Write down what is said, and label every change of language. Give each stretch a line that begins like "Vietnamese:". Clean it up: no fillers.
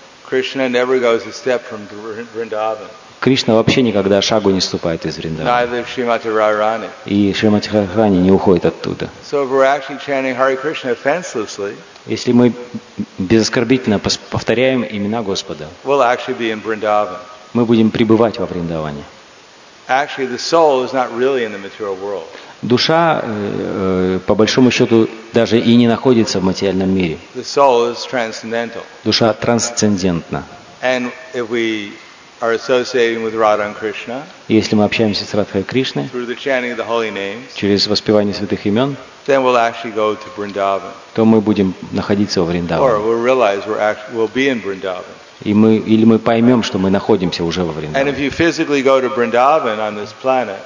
Russian: Кришна вообще никогда шагу не ступает из Вриндавана. И Шримати Радхарани не уходит оттуда. Если мы безоскорбительно повторяем имена Господа, мы будем пребывать во Вриндаване.
English: Actually, the soul is not really in the material world.
Russian: Душа, по большому счету, даже и не находится в материальном мире.
English: The soul is transcendental.
Russian: Душа трансцендентна.
English: And if we are associating with Radha and Krishna,
Russian: если мы общаемся с Радхой и Кришной,
English: through the chanting of the holy names,
Russian: через воспевание святых имен,
English: then we'll actually go to Vrindavan.
Russian: То мы будем находиться во Вриндаване.
English: Or we'll realize we'll be in Vrindavan.
Russian: Или мы поймем, что мы находимся уже во Вриндаване.